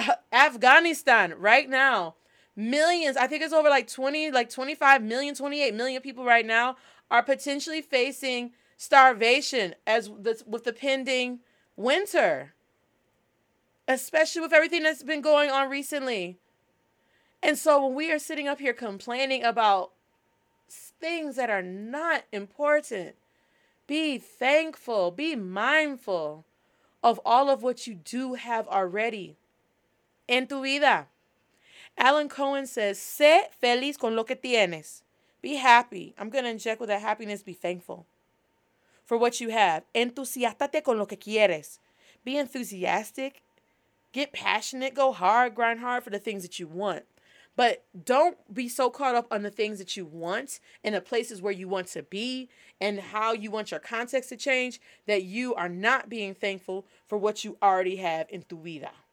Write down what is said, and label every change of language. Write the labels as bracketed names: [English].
[English] Afghanistan, right now, millions, I think it's over like 20, like 25 million, 28 million people right now are potentially facing starvation as with the pending winter, especially with everything that's been going on recently. And so when we are sitting up here complaining about things that are not important, be thankful, be mindful of all of what you do have already [Spanish] en tu vida. [English] Alan Cohen says, [Spanish] sé feliz con lo que tienes. [English] Be happy. I'm going to inject with that happiness, be thankful for what you have. [Spanish] Entusiástate con lo que quieres. [English] Be enthusiastic. Get passionate. Go hard. Grind hard for the things that you want. But don't be so caught up on the things that you want and the places where you want to be and how you want your context to change that you are not being thankful for what you already have in [Spanish] tu vida.